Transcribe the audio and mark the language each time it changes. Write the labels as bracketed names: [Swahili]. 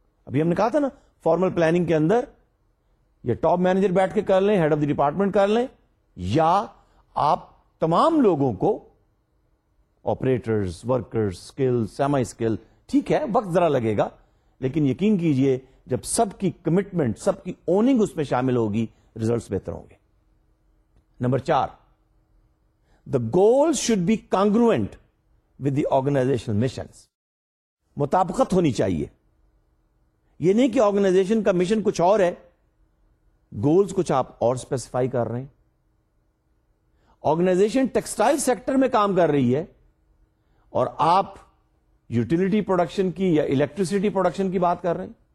[Urdu] Abhi humne kaha tha na, formal planning ke andar ya top manager baith ke kar le, head of the department kar le, ya aap tamam logon ko operators, workers, skill, سیمائی skill, ٹھیک ہے وقت ذرا لگے گا، لیکن یقین کیجئے جب سب کی کمٹمنٹ، سب کی اوننگ اس میں شامل ہوگی، ریزلٹس بہتر ہوں گے. [English] Number چار، the goal should be congruent with the organisational missions. [Urdu] مطابقت ہونی چاہیے، یہ نہیں کہ آرگنائزیشن کا مشن کچھ اور ہے، گولز کچھ آپ اور اسپیسیفائی کر رہے ہیں. آرگنائزیشن ٹیکسٹائل سیکٹر میں کام کر رہی ہے اور آپ یوٹیلیٹی پروڈکشن کی یا الیکٹریسٹی پروڈکشن کی بات کر رہے ہیں.